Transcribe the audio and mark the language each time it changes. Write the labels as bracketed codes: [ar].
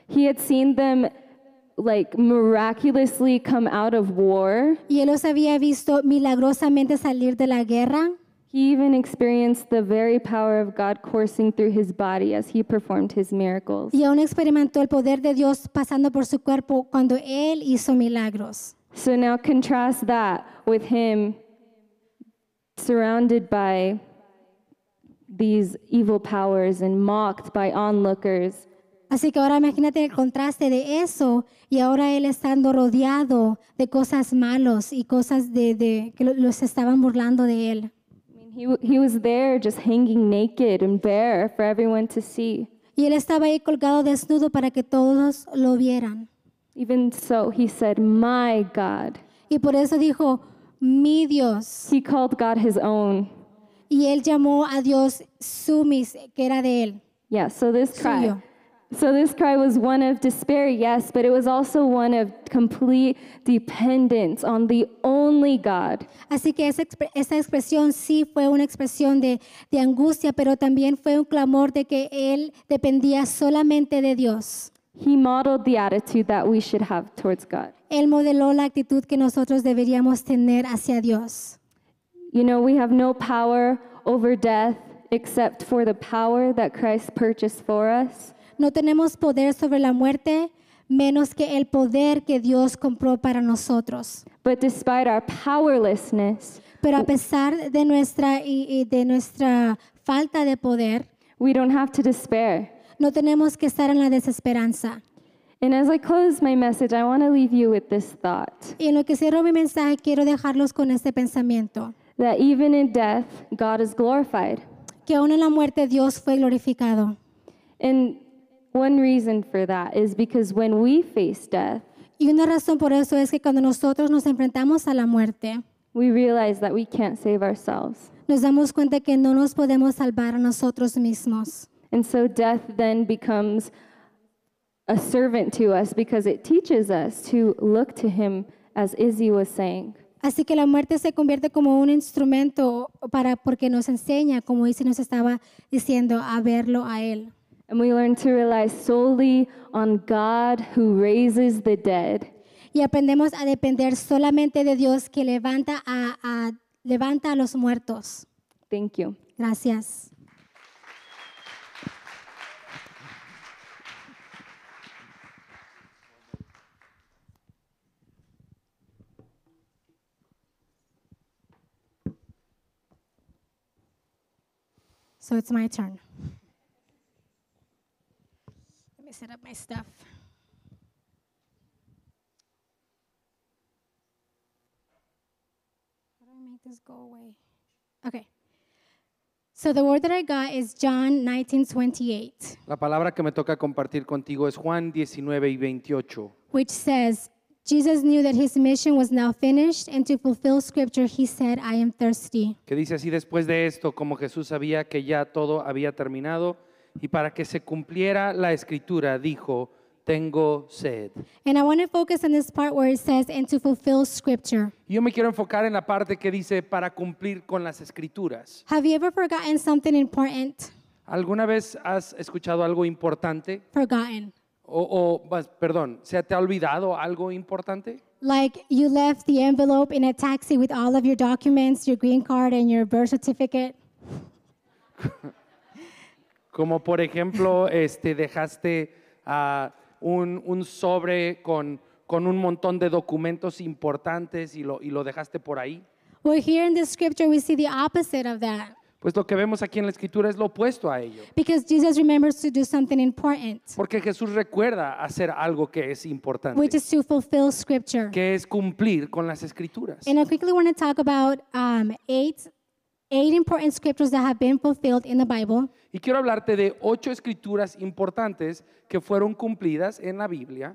[en] He had seen them like miraculously come out of war. [es] Y él los había visto milagrosamente salir de la guerra. [en] He even experienced the very power of God coursing through his body as he performed his miracles. [es] Y aún experimentó el poder de Dios pasando por su cuerpo cuando él hizo milagros. [en] So now contrast that with him surrounded by these evil powers and mocked by onlookers. [es] Así que ahora imagínate el contraste de eso y ahora él estando rodeado de cosas malos y cosas de que los estaban burlando de él. [en] I mean, he was there just hanging naked and bare for everyone to see. [es] Y él estaba ahí colgado desnudo para que todos lo vieran. [en] Even so, he said, "My God." [es] Y por eso dijo, "Mi Dios." [en] He called God his own. [es] Y él llamó a Dios su mis, que era de él. [en] Yeah, so this cry. So this cry was one of despair, yes, but it was also one of complete dependence on the only God. [es] Así que esa expresión sí fue una expresión de angustia, pero también fue un clamor de que él dependía solamente de Dios. [en] He modeled the attitude that we should have towards God. [es] Él modeló la actitud que nosotros deberíamos tener hacia Dios. [en] You know, we have no power over death except for the power that Christ purchased for us. [es] No tenemos poder sobre la muerte menos que el poder que Dios compró para nosotros. [en] But despite our powerlessness, [es] pero a pesar de nuestra falta de poder, [en] we don't have to despair. [es] No tenemos que estar en la desesperanza. [en] And as I close my message, I want to leave you with this thought. [es] Y en lo que cierro mi mensaje, quiero dejarlos con este pensamiento. [en] That even in death, God is glorified. [es] Que aún en la muerte, Dios fue glorificado. [en] And one reason for that is because when we face death, [es] y una razón por eso es que cuando nosotros nos enfrentamos a la muerte, [en] we realize that we can't save ourselves. [es] Nos damos cuenta que no nos podemos salvar a nosotros mismos. [en] And so death then becomes a servant to us because it teaches us to look to him, as Izzy was saying. [es] Así que la muerte se convierte como un instrumento para porque nos enseña, como Izzy nos estaba diciendo, a verlo a él. [en] And we learn to rely solely on God who raises the dead. [es] Y aprendemos a depender solamente de Dios que levanta a los muertos. [en] Thank you. [es] Gracias. [en] So it's my turn. Let me set up my stuff. How do I make this go away? Okay. So the word that I got is John 19:28. [es] La palabra que me toca compartir contigo es Juan 19:28. [en] Which says, Jesus knew that his mission was now finished, and to fulfill scripture, he said, I am thirsty. [es] Que dice así, después de esto, como Jesús sabía que ya todo había terminado, y para que se cumpliera la escritura, dijo, tengo sed. [en] And I want to focus on this part where it says, and to fulfill scripture. [es] Yo me quiero enfocar en la parte que dice, para cumplir con las escrituras. [en] Have you ever forgotten something important? [es] ¿Alguna vez has escuchado algo importante? [en] Forgotten. [es] Perdón, ¿se te ha olvidado algo importante? [en] Like you left the envelope in a taxi with all of your documents, your green card and your birth certificate. [es] Como por ejemplo, dejaste un sobre con un montón de documentos importantes y lo dejaste por ahí. [en] Well, here in the scripture we see the opposite of that. [es] Pues lo que vemos aquí en la escritura es lo opuesto a ello. [en] Because Jesus remembers to do something important. [es] Porque Jesús recuerda hacer algo que es importante. [en] Which is to fulfill scripture. [es] Que es cumplir con las escrituras. [en] And I quickly want to talk about eight important scriptures that have been fulfilled in the Bible. [es] Y quiero hablarte de 8 escrituras importantes que fueron cumplidas en la Biblia.